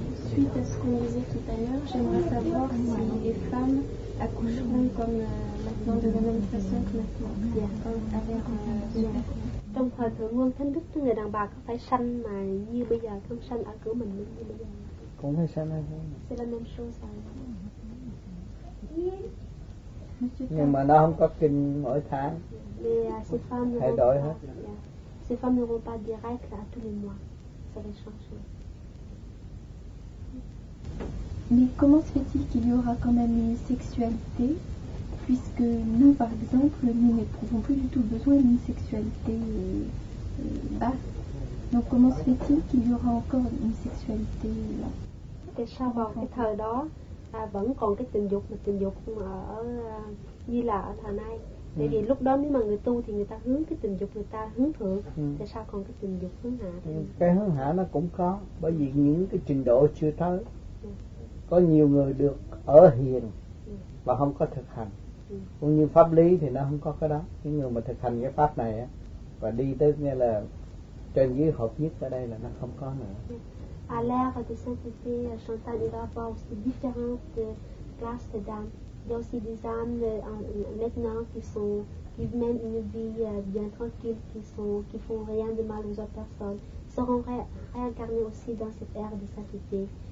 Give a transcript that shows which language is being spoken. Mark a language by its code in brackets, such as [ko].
[fr] Suite à ce qu'on disait tout à l'heure, j'aimerais savoir si les femmes accoucheront comme maintenant de la même façon que maintenant, [vi] avec trong thời thượng nguyên thánh đức, người đàn bà có phải sanh mà như bây giờ không, sanh ở cửa mình như bây giờ cũng phải sanh ở cửa. [fr] C'est la même chose. [vi] Nhưng mà nó không có kinh mỗi tháng. Thay đổi hết. [fr] Ces femmes n'auront pas direct à tous les mois. Ça va changer. Mais comment se fait-il qu'il y aura quand même une sexualité, puisque nous, par exemple, nous n'éprouvons plus du tout besoin d'une sexualité basse. Donc comment se fait-il qu'il y aura encore une sexualité là? [vi] Tại sao vào cái thời đó vẫn còn cái tình dục ở như là ở thời nay? Tại vì lúc đó nếu mà người tu thì người ta hướng cái tình dục, người ta hướng thượng. Tại sao còn cái tình dục hướng hạ? Cái hướng hạ nó cũng có, bởi vì những cái trình độ chưa tới. Có nhiều người được ở hiền và không có thực hành. Cũng như pháp lý thì nó không có cái đó. Cái người mà thực hành cái pháp này á, và đi tới nghe là trên dưới hợp nhất ở đây là nó không có nữa. [fr] À l'ère de sainteté, Chantal, il va avoir aussi différentes classes d'âmes. Il y a aussi des âmes maintenant qui mènent une vie bien tranquille, qui font rien de mal aux autres personnes, seront réincarnées aussi dans cette ère de sainteté.